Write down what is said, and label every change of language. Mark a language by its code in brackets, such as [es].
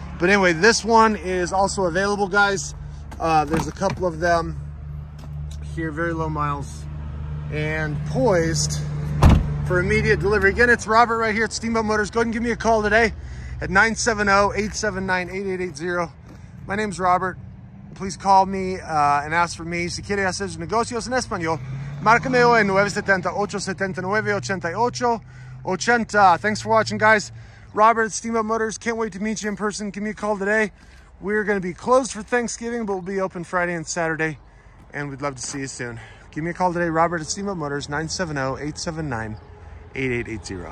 [en] But anyway, this one is also available, guys. There's a couple of them here, very low miles and poised for immediate delivery. Again, it's Robert right here at Steamboat Motors. Go ahead and give me a call today at 970-879-8880. My name's Robert. Please call me and ask for me. [es] Si quiere hacer negocios en español, márcame hoy en 970-879-8880. [en] Thanks for watching, guys. Robert at Steamboat Motors. Can't wait to meet you in person. Give me a call today. We're going to be closed for Thanksgiving, but we'll be open Friday and Saturday, and we'd love to see you soon. Give me a call today. Robert at Steamboat Motors, 970-879-8880.